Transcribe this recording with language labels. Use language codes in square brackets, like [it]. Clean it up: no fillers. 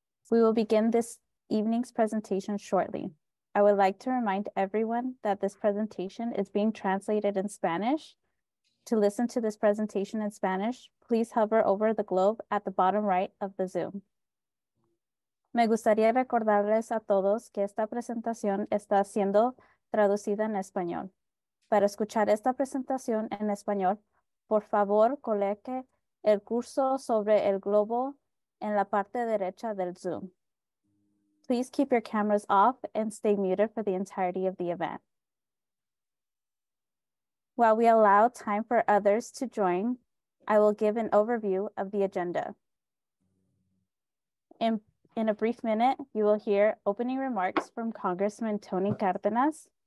[en] We will begin this evening's presentation shortly. I would like to remind everyone that this presentation is being translated in Spanish. To listen to this presentation in Spanish, please hover over the globe at the bottom right of the Zoom. [es] Me gustaría recordarles a todos que esta presentación está siendo traducida en español. Para escuchar esta presentación en español, por favor, coloque el cursor sobre el globo en la parte derecha del Zoom. [en] Please keep your cameras off and stay muted for the entirety of the event. While we allow time for others to join, I will give an overview of the agenda. In a brief minute, you will hear opening remarks from Congressman Tony Cárdenas.